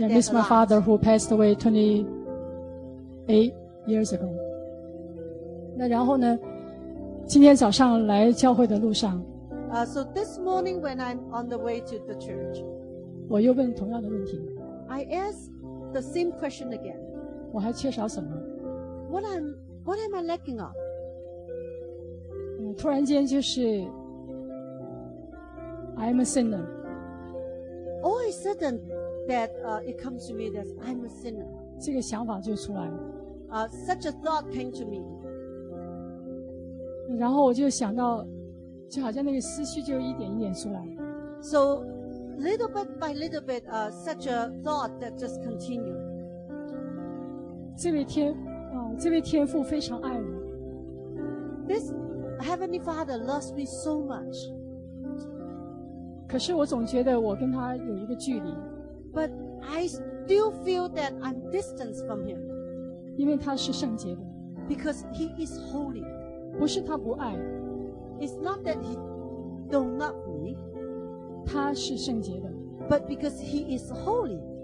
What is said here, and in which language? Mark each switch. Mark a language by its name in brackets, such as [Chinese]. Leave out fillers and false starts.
[English] Yeah, miss my father who passed away 28 years ago. [Chinese] 那然后呢？今天早上来教会的路上。 [English] So this morning when I'm on the way to the church. [Chinese] 我又问同样的问题。 [English] I ask the same question again. [Chinese] 我还缺少什么？ [English] What am I lacking of? [Chinese] 突然间就是 [English] I'm a sinner. All of a sudden that it comes to me that I'm a sinner. [Chinese] 这个想法就出来了。 [English] Such a thought came to me. [Chinese] 然后我就想到，就好像那个思绪就一点一点出来。 [English] So little bit by little bit, such a thought that just continued. [Chinese] 这位天父非常爱我。 [English] This Heavenly Father loves me so much. [Chinese] 可是我总觉得我跟他有一个距离。 [English] But I still feel that I'm distanced from him. [Chinese] 因为他是圣洁的。 [English] Because he is holy. [Chinese] 不是他不爱。 [English] It's not that he don't love me. [Chinese] 他是圣洁的。 [English] But because he is holy.